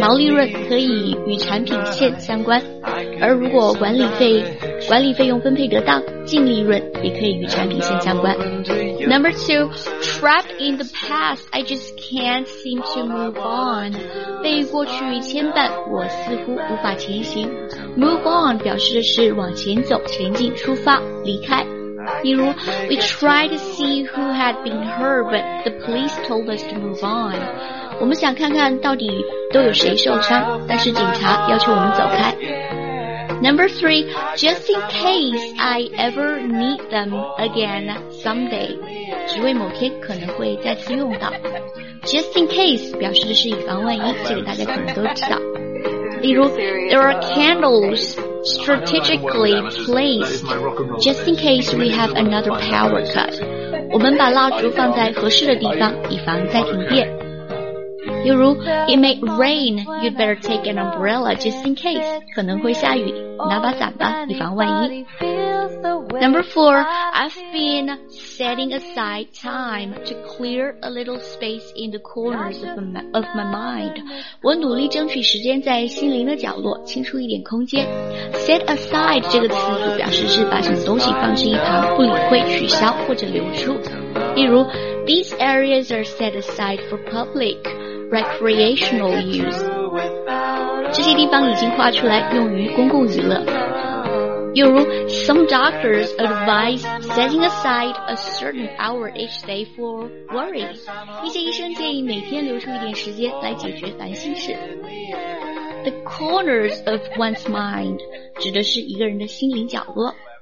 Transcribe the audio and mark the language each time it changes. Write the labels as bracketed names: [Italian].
[Chinese] 毛利润可以与产品线相关，而如果管理费用分配得当，净利润也可以与产品线相关。 [English] Number two, trapped in the past, I just can't seem to move on. [Chinese] 被过去牵绊，我似乎无法前行。 Move on 表示的是往前走、前进、出发、离开。例如 [English] ，We tried to see who had been hurt, but the police told us to move on. [Chinese] 我们想看看到底都有谁受伤，但是警察要求我们走开。 [English] Number three, just in case I ever need them again someday. [Chinese] 只为某天可能会再次用到。 Just in case 表示的是以防万一，这个大家可能都知道。例如 [English] ,There are candles strategically placed just in case we have another power cut. [Chinese] 我们把蜡烛放在合适的地方以防再停电。例如 [English] ,It may rain, you'd better take an umbrella just in case. [Chinese] 可能会下雨，拿把伞吧以防万一。 [English] Number four, I've been setting aside time to clear a little space in the corners of my mind. [Chinese] 我努力争取时间在心灵的角落清出一点空间。 Set aside 这个词组表示是把什么东西放置一旁，不理会、取消或者留出。例如 [English] ,These areas are set aside for public recreational use. [Chinese] 这些地方已经划出来用于公共娱乐。例如 [English] ,some doctors advise setting aside a certain hour each day for worry. [Chinese] 一些医生建议每天留出一点时间来解决烦心事。 The corners of one's mind 指的是一个人的心灵角落。